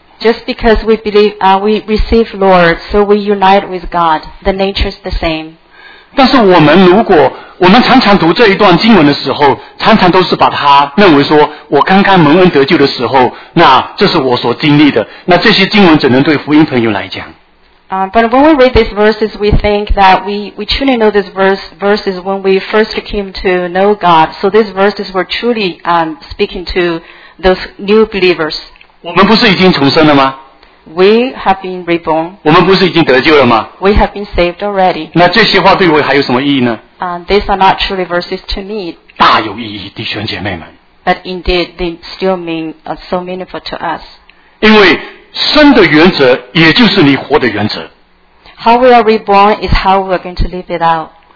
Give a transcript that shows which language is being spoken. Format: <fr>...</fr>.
<en>Just because we believe, we receive Lord, so we unite with God. The nature is the same.</en> <zh>但是我们常常读这一段经文的时候，常常都是把它认为说，我刚刚蒙恩得救的时候，那这是我所经历的，那这些经文只能对福音朋友来讲。</zh> <en>But when we read these verses, we think that we truly know these verses when we first came to know God. So these verses were truly speaking to those new believers.</en> <zh>我们不是已经重生了吗?</zh> <en>We have been reborn.</en> <zh>我们不是已经得救了吗?</zh> <en>We have been saved already.</en> <zh>那这些话对我还有什么意义呢?</zh> <en>These are not truly verses to me.</en> <zh>大有意义,弟兄姐妹们。</zh> <en>But indeed, they still mean so meaningful to us.</en> <zh>因为生的原则也就是你活的原则。</zh> <en>How we are reborn is how we are going to live it out.</en>